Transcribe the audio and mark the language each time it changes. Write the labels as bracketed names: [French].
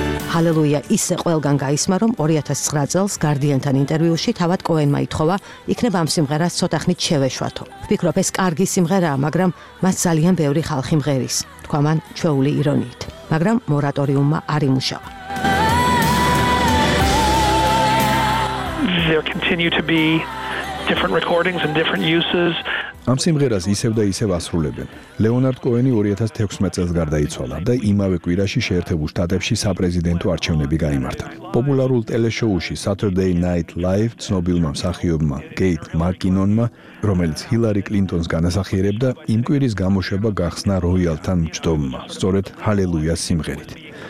[Georgian] Halleluja ისე ყველგან გაისმა, რომ 2009 წელს Guardian-თან ინტერვიუში თავად კოენმა ითხოვა, იქნებ ამ სიმღერას ცოტახნით შევეშვათო. ვფიქრობ, ეს კარგი სიმღერაა, მაგრამ მას ძალიან ბევრი ხალხი მღერის, თქვა მან ჩვეული ირონიით. მაგრამ მორატორიუმმა არ იმუშავა. [English] There continue to be different recordings and different uses. [Georgian] ამ სიმღერას ისევ და ისევ ასრულებენ. ლეონარდ კოენი 2016 წელს გარდაიცვალა და იმავე კვირაში შეერთებულ შტატებში საპრეზიდენტო არჩევნები გაიმართა. პოპულარულ ტელეშოუში Saturday Night Live ცნობილმა მსახიობმა გეით მაკინონმა, რომელიც ჰილარი კლინტონს განასახიერებდა, იმ კვირის გამოშვება გახსნა როიალთან მჯდომმა, სწორედ ჰალელუია სიმღერით.